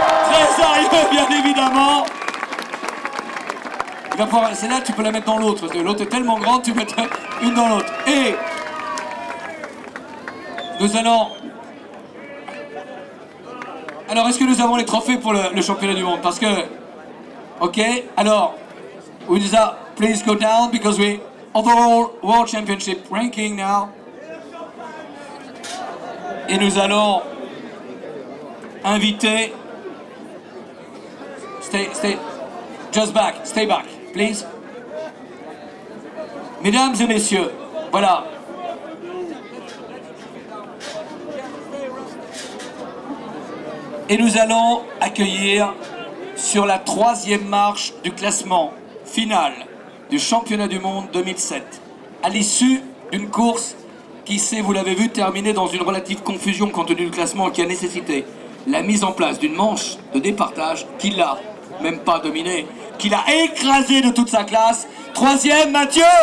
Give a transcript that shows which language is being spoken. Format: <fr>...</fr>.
<fr>Très sérieux, bien évidemment. Il va d'avoir celle-là, tu peux la mettre dans l'autre. L'autre est tellement grande, tu mets une dans l'autre. Et nous allons... Alors, est-ce que nous avons les trophées pour le championnat du monde? Parce que... Ok, alors...</fr> <en>Winza, please go down, because we... Overall World Championship ranking now.</en> <fr>Et nous allons... inviter...</fr> <en>Stay... Just back, stay back, please.</en> <fr>Mesdames et messieurs, voilà. Et nous allons accueillir sur la troisième marche du classement final du championnat du monde 2007, à l'issue d'une course qui s'est, vous l'avez vu, terminée dans une relative confusion compte tenu du classement qui a nécessité la mise en place d'une manche de départage qui l'a même pas dominée, qui l'a écrasée de toute sa classe. Troisième, Mathieu.</fr>